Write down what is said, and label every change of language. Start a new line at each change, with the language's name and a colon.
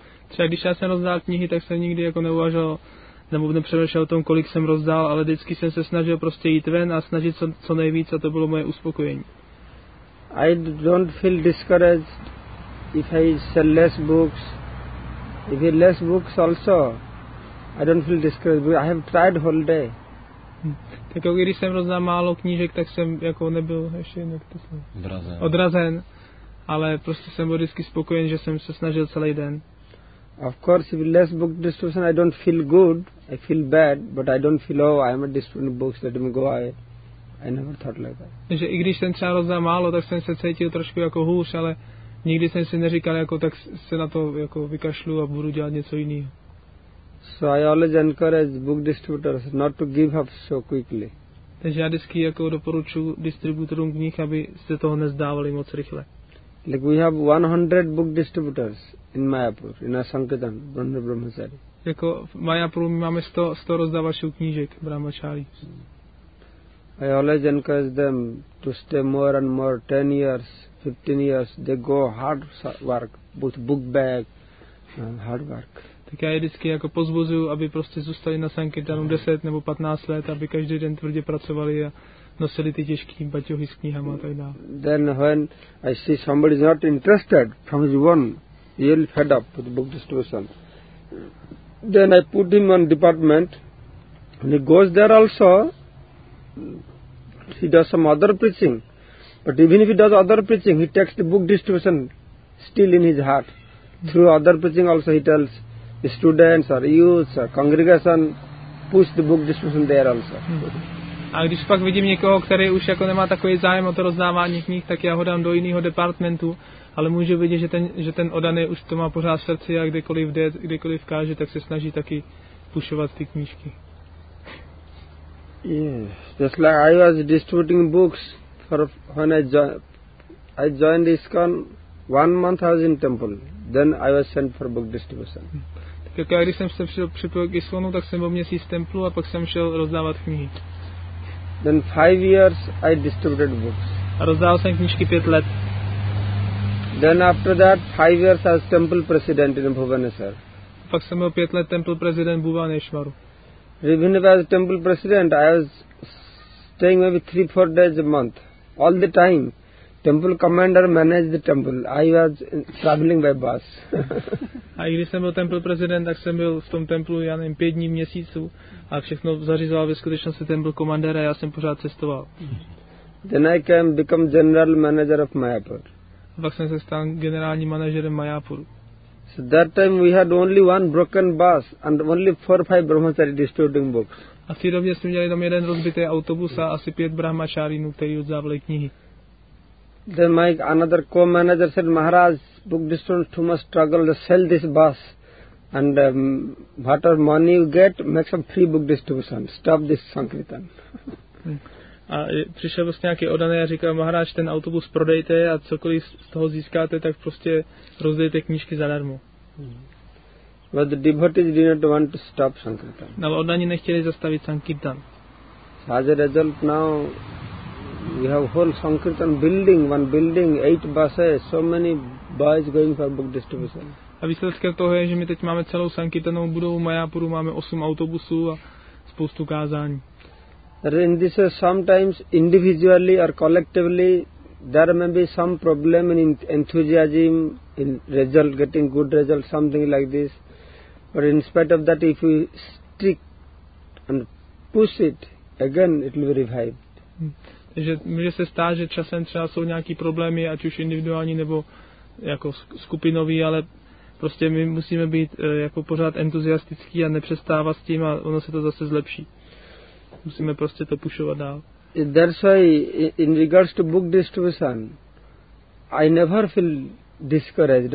Czech: Třeba když já jsem rozdál knihy, tak jsem nikdy jako neuvažoval, nebo nepřemýšlel o tom, kolik jsem rozdál, ale vždycky jsem se snažil prostě jít ven a snažit se co nejvíc a to bylo moje uspokojení.
English: I don't feel discouraged if I sell less books. If I less books also, I don't feel discouraged. I have tried whole day.
Czech: Tak jako když jsem rozdál málo knížek, tak jsem jako nebyl ještě jinak to jsem... Odrazen. Ale prostě jsem byl vždycky spokojen, že jsem se snažil celý den.
English: Of course, if less book distribution, I don't feel good. I feel bad, but I don't feel, oh, I am a distributing books, let me go away. I never thought like that.
Czech: Takže i když jsem třeba rozdál málo, tak jsem se cítil trošku jako hůř, ale nikdy jsem si neříkal, jako tak se na to jako vykašlu a budu dělat něco jiného.
English: So I always encourage book distributors not to give up so quickly.
Czech: Takže já vždycky jako doporučuji distributorům knih, aby se toho nezdávali moc rychle.
English: Like we have 100 book distributors in Mayapur, in Sankirtan, Vrinda Brahmachari.
Czech: Jako v Mayapuru máme 100 rozdávačů knížek, Brahmachari.
English: I always encourage them to stay more and more, 10 years, 15 years, they go hard work, both book bag and hard work.
Czech: Tak já je vždycky jako pozvozuju, aby prostě zůstali na Sankirtanu 10 nebo 15 let, aby každý den tvrdě pracovali a nosili ty těžké baťohy s knihama a tak dále.
English: Then when I see somebody is not interested from his own, really fed up with book distribution, then I put him on department, and he goes there also, he does some other preaching, but even if he does other preaching, he takes the book distribution still in his heart. Through other preaching also he tells the students or youths or congregation, push the book distribution there also.
Czech: A když pak vidím někoho, který už jako nemá takový zájem o to rozdávání knih, tak já ho dám do jiného departmentu, ale můžu vidět, že ten odaný už to má pořád v srdci a kdekoliv jde, kdekoliv káže, tak se snaží taky pušovat ty knížky.
English: Yes, just like I was distributing books for when I joined ISKCON, 1 month I was in temple, then I was sent for book distribution.
Czech: Tak jako já, když jsem se připojil k ISKCONu, tak jsem byl měsíc v templu a pak jsem šel rozdávat knihy.
English: Then 5 years I distributed books.
Czech: A rozdával jsem knížky 5 let.
English: Then after that 5 years as temple president in Bhubaneswar.
Czech: Pak jsem byl 5 let temple president Bhubaneswaru.
English: Even if I was temple president, I was staying maybe 3-4 days a month. All the time, temple commander managed the temple. I was traveling by bus.
Czech: A i když jsem byl temple president, tak jsem byl v tom templu, já nevím, 5 dní v měsíci. A všechno zařizoval ve skutečnosti temple commander a já jsem pořád cestoval.
English: Then I came become general manager of Mayapur.
Czech: A pak jsem se stal generálním manažerem Mayapuru.
English: So that time we had only one broken bus and only 4-5 brahmachari distributing books.
Czech: A v té době jsme měli tam jeden rozbitý autobus a asi 5 brahmacharinů, kteří odzávali knihy.
English: Then my another co-manager said, Maharaj, book distributors too much struggle to sell this bus. And whatever money you get, make some free book distribution. Stop this Sankirtan.
Czech: A přišel vlastně nějaký odaný a říkal, Maharaj, ten autobus prodejte a cokoliv z toho získáte, tak prostě rozdejte knížky zadarmo.
English: But the devotees did not want to stop Sankirtan.
Czech: No, odaní nechtěli zastavit Sankirtan.
English: So as a result now, we have whole Sankirtan building, one building, 8 buses, so many boys going for book distribution.
Czech: A výsledkem toho je, že my teď máme celou Sankirtanovou budovu Mayapuru, máme 8 autobusů a spoustu kázání.
English: In this is sometimes individually or collectively there may be some problem in enthusiasm, in result, getting good result, something like this. But in spite of that, if we stick and push it, again it will be revived.
Czech: Takže může se stát, že časem třeba jsou nějaký problémy, ať už individuální nebo jako skupinový, ale prostě my musíme být jako pořád entuziastický a nepřestávat s tím a ono se to zase zlepší. Musíme prostě to pushovat dál.
English: That's why in regards to book distribution, I never feel discouraged.